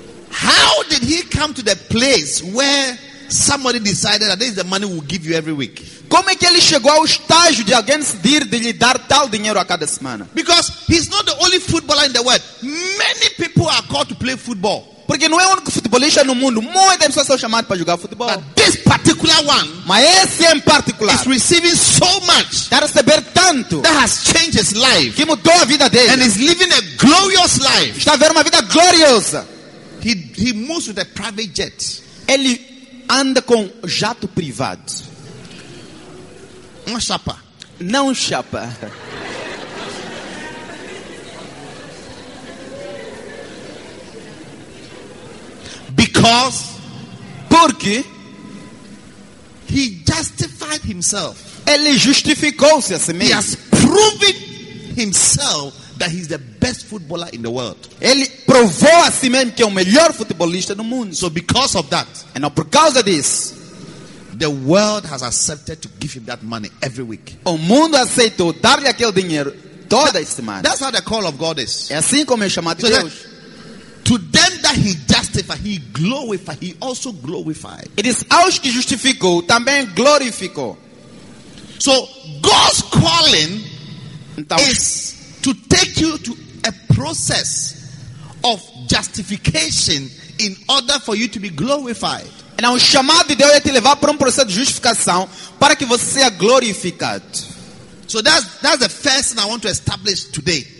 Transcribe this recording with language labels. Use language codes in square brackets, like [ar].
[en] How did he come to the place where somebody decided that this is the money we'll give you every week? [pt] Como é que ele chegou ao estágio de alguém decidir de lhe dar tal dinheiro a cada semana? [en] Because he's not the only footballer in the world. Many people are called to play football. [pt] Porque não é o único futebolista no mundo. Muitas pessoas são chamadas para jogar futebol. [en] But this particular one, [pt] mas esse em particular, [en] is receiving so much, [pt] está a receber tanto, [en] that has changed his life, [pt] que mudou a vida dele, [en] and is living a glorious life, [pt] está a ver uma vida gloriosa. [en] He moves with a private jet. [pt] Ele anda com jato privado. Uma chapa. Não chapa. [en] Because, [pt] porque [en] he justified himself. [pt] Ele justificou-se a si mesmo. [en] He has proven himself that he's the best footballer in the world. [pt] Ele provou a si mesmo que é o melhor futebolista no mundo. [en] So because of that, [pt] and por causa disso, [en] the world has accepted to give him that money every week. [pt] O mundo aceitou dar-lhe aquele dinheiro toda semana. [en] That's how the call of God is. [pt] É assim como é chamado de Deus. [en] To them that he justified, he glorified, he also glorified. It is [pt] aos que justificou, também glorificou. [en] So God's calling então, is to take you to a process of justification in order for you to be glorified. [pt] Então, o chamado de Deus é te levar para processo de justificação para que você seja glorificado. [en] So that's the first thing I want to establish today.